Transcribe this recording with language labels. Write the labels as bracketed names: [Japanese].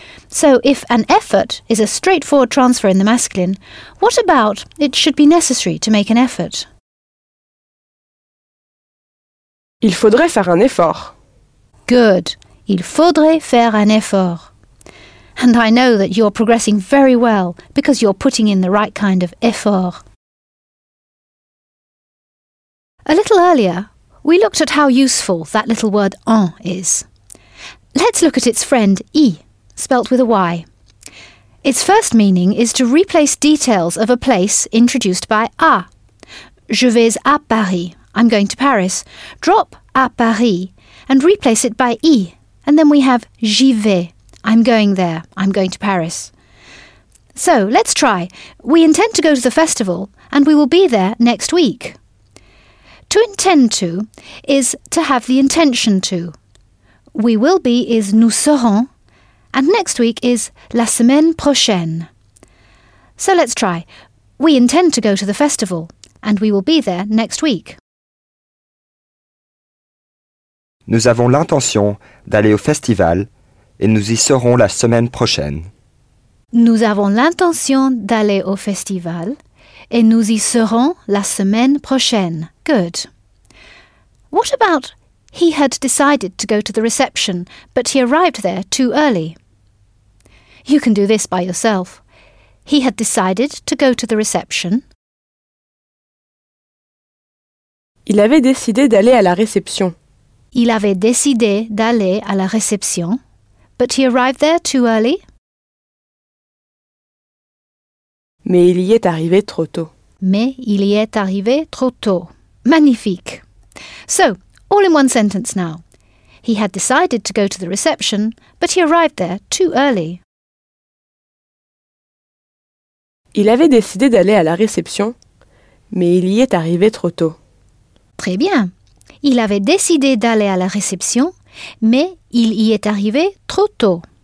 [English] So, if an effort is a straightforward transfer in the masculine, what about it should be necessary to make an effort? [French] Il faudrait faire un effort. [English] Good. [French] Il faudrait faire un effort. [English] And I know that you're progressing very well because you're putting in the right kind of effort. A little earlier, we looked at how useful that little word en is. Let's look at its friend y. Spelt with a Y. Its first meaning is to replace details of a place introduced by à. [French] Je vais à Paris. [English] I'm going to Paris. Drop à Paris and replace it by y. And then we have j'y vais. I'm going there. I'm going to Paris. So, let's try. We intend to go to the festival and we will be there next week. To intend to is to have the intention to. We will be is nous serons. And next week is la semaine prochaine. So let's try. We intend to go to the festival, and we will be there next week. [French] Nous avons l'intention d'aller au festival, et nous y serons la semaine prochaine. Nous avons l'intention d'aller au festival, et nous y serons la semaine prochaine. [English] Good. What about he had decided to go to the reception, but he arrived there too early? You can do this by yourself. He had decided to go to the reception. [French] Il avait décidé d'aller à la réception. Il avait décidé d'aller à la réception, [English] but he arrived there too early. [French] Mais il y est arrivé trop tôt. Mais il y est arrivé trop tôt. Magnifique. [English] So, all in one sentence now. He had decided to go to the reception, but he arrived there too early. [French] Il avait décidé d'aller à la réception, mais il y est arrivé trop tôt. Très bien. Il avait décidé d'aller à la réception, mais il y est arrivé trop tôt.